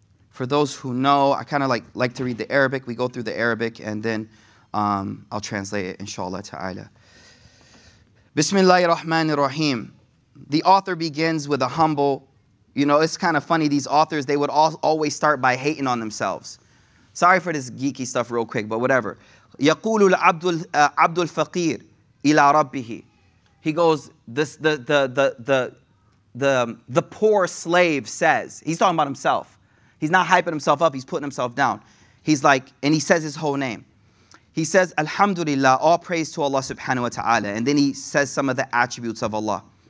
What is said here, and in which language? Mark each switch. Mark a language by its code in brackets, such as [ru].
[en] For those who know, I kind of like to read the Arabic. We go through the Arabic and then I'll translate it, inshallah ta'ala. Bismillah ar-Rahman ar-Rahim. The author begins with a humble, you know, it's kind of funny. These authors, they would always start by hating on themselves. Sorry for this geeky stuff real quick, but whatever. [ar] يقول العبد الفقير إلى ربه. [en] He goes, the poor slave says, he's talking about himself. He's not hyping himself up. He's putting himself down. He's like, and he says his whole name. He says, Alhamdulillah, all praise to Allah subhanahu wa ta'ala. And then he says some of the attributes of Allah.